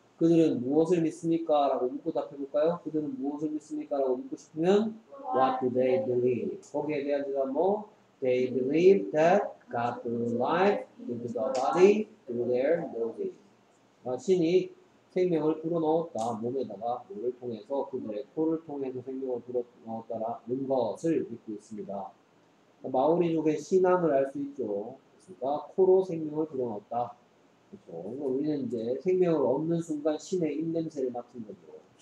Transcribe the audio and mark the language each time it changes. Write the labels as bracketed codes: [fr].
[ko] 그들은 무엇을 믿습니까? 라고 묻고 답해볼까요? 그들은 무엇을 믿습니까? 라고 묻고 싶으면 [en] What do they believe? [ko] 거기에 대한 대답 뭐? [en] They believe that God blew life into the body through their noses. [ko] 아, 신이 생명을 불어넣었다. 몸에다가 물을 통해서 그들의 코를 통해서 생명을 불어넣었다라는 것을 믿고 있습니다. 마오리족의 신앙을 알 수 있죠. 그러니까 코로 생명을 불어넣었다. 그렇죠. 우리는 이제 생명을 얻는 순간 신의 입냄새를 맡은 거죠.